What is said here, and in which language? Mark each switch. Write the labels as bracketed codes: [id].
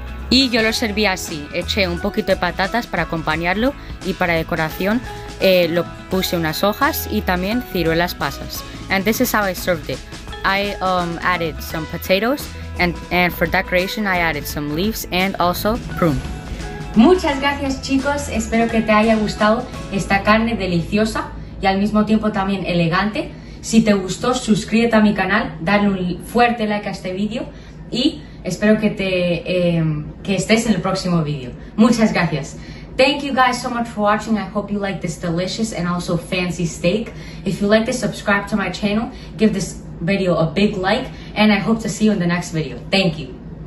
[es] Y yo lo serví así, eché un poquito de patatas para acompañarlo y para decoración lo puse unas hojas y también ciruelas pasas. [en] And this is how I served it. I added some potatoes and for decoration I added some leaves and also prune. [es] Muchas gracias chicos, espero que te haya gustado esta carne deliciosa y al mismo tiempo también elegante. Si te gustó, suscríbete a mi canal, dale un fuerte like a este vídeo y espero que que estés en el próximo video. Muchas gracias. [en] Thank you guys so much for watching. I hope you like this delicious and also fancy steak. If you like this, subscribe to my channel. Give this video a big like. And I hope to see you in the next video. Thank you.